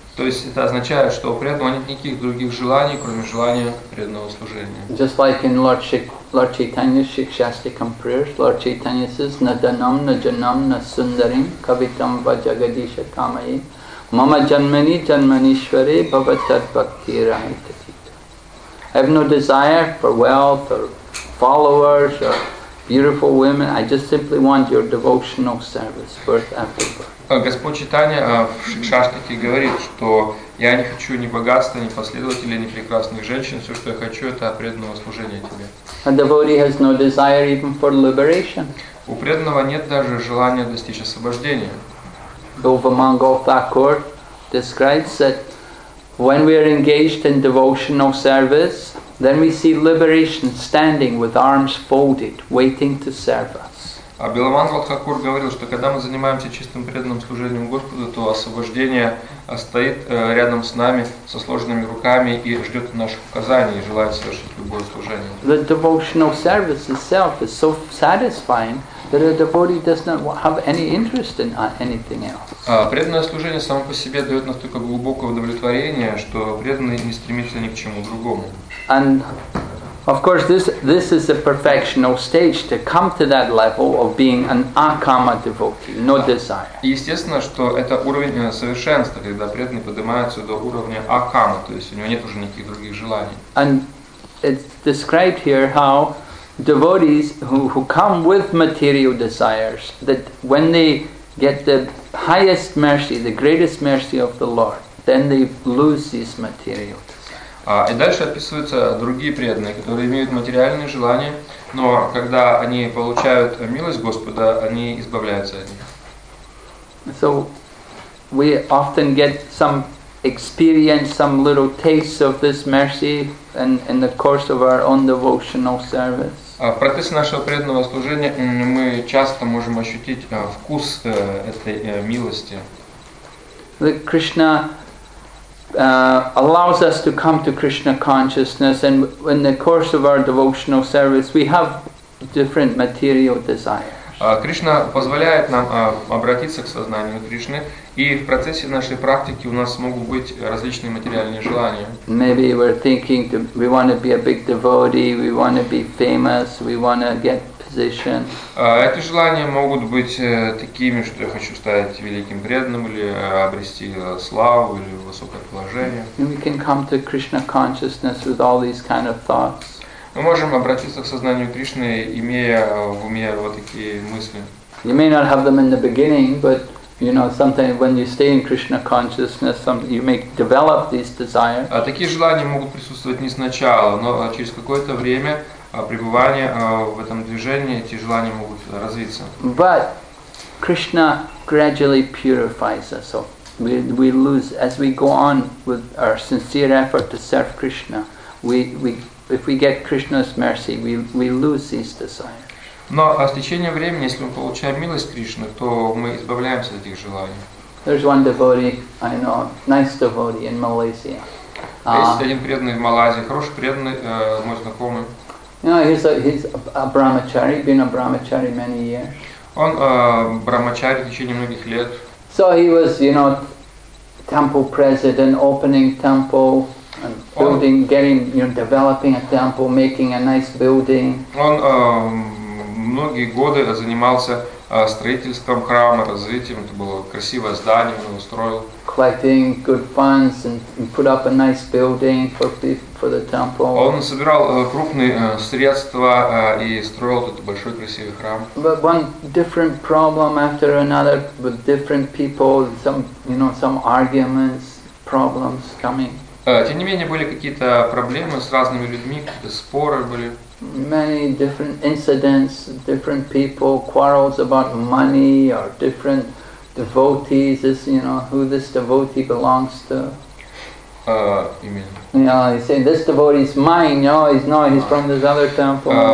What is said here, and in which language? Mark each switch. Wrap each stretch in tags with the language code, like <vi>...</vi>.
<ru>То есть это означает, что у преданного нет никаких других желаний, кроме желания преданного служения.</ru> <en>Just like in Lord Chaitanya's Shikshastikam prayers, Lord Chaitanya says,</en> <sa>Naddanam, Najanam, Nasundarim, Kavitam, Vajagadisha, Kamayi, Mama Janmani, Janmanishvare, Bhavatad Bhakti Rahitatita.</sa> <en>I have no desire for wealth or followers or beautiful women. I just simply want your devotional service, birth after birth.</en> <ru>Господь Чайтанья в Шикшаштике говорит, что я не хочу ни богатства, ни последователей, ни прекрасных женщин. Все, что я хочу, это преданного служения тебе.</ru> <en>A devotee has no desire even for liberation.</en> <ru>У преданного нет даже желания достичь освобождения.</ru> <en>Govamangal Thakur describes that when we are engaged in devotional service, then we see liberation standing with arms folded, waiting to serve us.</en> <ru>А Биламангал Хакур говорил, что когда мы занимаемся чистым преданным служением Господу, то освобождение стоит рядом с нами со сложенными руками и ждет наших указаний и желает совершить любое служение.</ru> <en>The devotional service itself is so satisfying that a devotee does not have any interest in anything else.</en> <ru>Преданное служение само по себе дает настолько глубокое удовлетворение, что преданный не стремится ни к чему другому.</ru> <en>Of course, this is the perfectional stage to come to that level of being an akama devotee, no desire.</en> <ru>Естественно, что это уровень совершенства, когда преданный поднимается до уровня акама, то есть у него нет уже никаких других желаний.</ru> <en>And it's described here how devotees who come with material desires, that when they get the highest mercy, the greatest mercy of the Lord, then they lose these material.</en> <ru>И дальше описываются другие преданные, которые имеют материальные желания, но когда они получают милость Господа, они избавляются от них.</ru> <en>So we often get some experience, some little taste of this mercy in the course of our own devotional service.</en> <ru>В процессе нашего преданного служения мы часто можем ощутить вкус этой милости.</ru> <en>Allows us to come to Krishna consciousness, and in the course of our devotional service, we have different material desires.</en> <ru>Кришна позволяет нам обратиться к сознанию Кришны, и в процессе нашей практики у нас могут быть различные материальные желания.</ru> <en>Maybe we're thinking we want to be a big devotee, we want to be famous, we want to get position.</en> <ru>Эти желания могут быть такими, что я хочу стать великим преданным или обрести славу или высокое положение.</ru> <en>And we can come to Krishna consciousness with all these kind of thoughts.</en> <ru>Мы можем обратиться к сознанию Кришны, имея в уме вот такие мысли.</ru> <en>You may not have them in the beginning, but you know, sometimes when you stay in Krishna consciousness, you may develop these desires.</en> <ru>Такие желания могут присутствовать не сначала, но через какое-то время пребывания в этом движении эти желания могут развиться.</ru> <en>But Krishna gradually purifies us, so we lose as we go on with our sincere effort to serve Krishna. If we get Krishna's mercy, we lose these desires.</en> <ru>Но с течением времени, если мы получаем милость Кришны, то мы избавляемся от этих желаний.</ru> <en>There's one devotee I know, nice devotee in Malaysia.</en> <ru>Есть один преданный в Малайзии, хороший преданный, мой знакомый.</ru> <en>You know, he's a brahmachari, been a brahmachari many years.</en> <ru>Он брахмачари в течение многих лет.</ru> <en>So he was, you know, temple president, opening temple. And building, getting, you know, developing a temple, making a nice building.</en> <ru>Он многие годы занимался строительством храма, развитием. Это было красивое здание, он устроил.</ru> <en>Collecting good funds and put up a nice building for the temple.</en> <ru>Он собирал крупные средства и строил этот большой красивый храм.</ru> <en>But one different problem after another with different people, some, you know, some arguments, problems coming.</en> <ru>Тем не менее, были какие-то проблемы с разными людьми, какие-то споры были.</ru> <en>Many different incidents, different people, quarrels about money or different devotees, this, you know, who this devotee belongs to. You say this devotee is mine, you know, he's from this other temple.</en>